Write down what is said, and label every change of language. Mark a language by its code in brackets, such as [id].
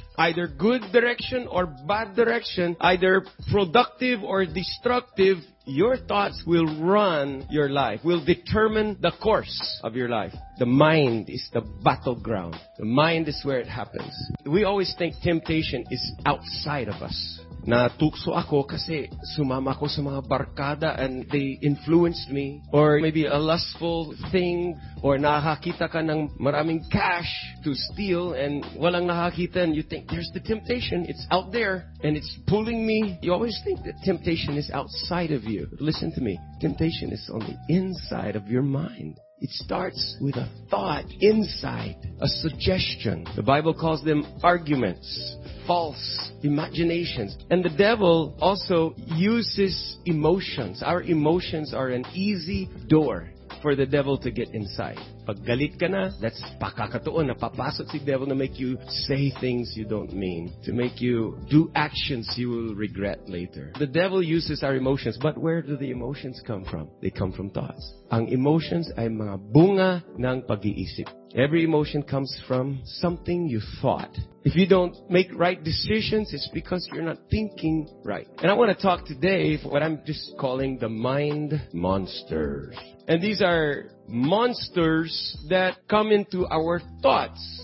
[en] Either good direction or bad direction, either productive or destructive, your thoughts will run your life, will determine the course of your life. The mind is the battleground. The mind is where it happens. We always think temptation is outside of us. [tl] Na tukso ako kasi sumama ko sa mga barkada [en] and they influenced me. Or maybe a lustful thing. Or [tl] nakakita ka ng maraming [en] cash to steal and [tl] walang nakakita. [en] And you think, there's the temptation. It's out there and it's pulling me. You always think that temptation is outside of you. Listen to me. Temptation is on the inside of your mind. It starts with a thought inside, a suggestion. The Bible calls them arguments, false imaginations. And the devil also uses emotions. Our emotions are an easy door for the devil to get inside. [tl] Pag galit ka na, [en] that's [tl] pakakatuon na papasok si [en] devil na make you say things you don't mean, to make you do actions you will regret later. The devil uses our emotions, but where do the emotions come from? They come from thoughts. [tl] Ang emotions ay mga bunga ng pag-iisip. [en] Every emotion comes from something you thought. If you don't make right decisions, it's because you're not thinking right. And I want to talk today for what I'm just calling the mind monsters. And these are monsters that come into our thoughts.